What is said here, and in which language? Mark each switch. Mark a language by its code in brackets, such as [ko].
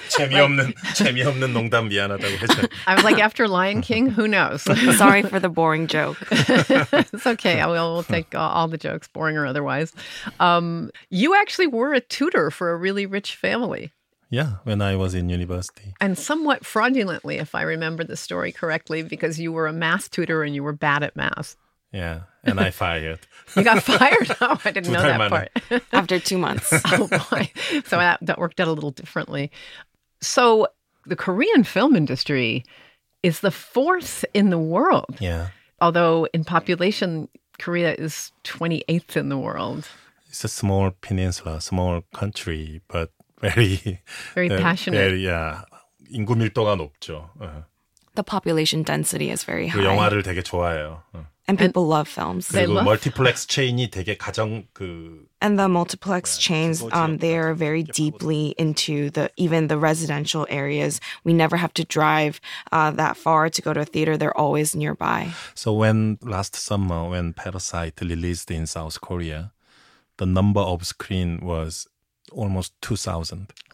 [ko] 재미없는, 재미없는 농담 미안하다고 했죠. [en] I was like, after Lion King, who knows? Sorry for the boring joke. It's okay. I will take all the jokes, boring or otherwise. You actually were a tutor for a really rich family. Yeah, when I was in university. And somewhat fraudulently, if I remember the story correctly, because you were a math tutor and you were bad at math. Yeah, and I fired. You got fired? Oh, I didn't know that part. After 2 months. Oh, boy. So that worked out a little differently. So the Korean film industry is the fourth in the world. Yeah. Although in population, Korea is 28th in the world. It's a small peninsula, small country, but very passionate. Very, yeah. [ko] 인구 밀도가 높죠. [en] The population density is very high. [ko] 그 영화를 되게 좋아해요. [en] And people and love films. [ko] 그리고 [en] love [ko] 멀티플렉스 체인이 되게 가장 그 [en] And the multiplex chains, they are very deeply into the even the residential areas. We never have to drive that far to go to a theater. They're always nearby. So when last summer when Parasite released in South Korea, the number of screen was almost 2,000.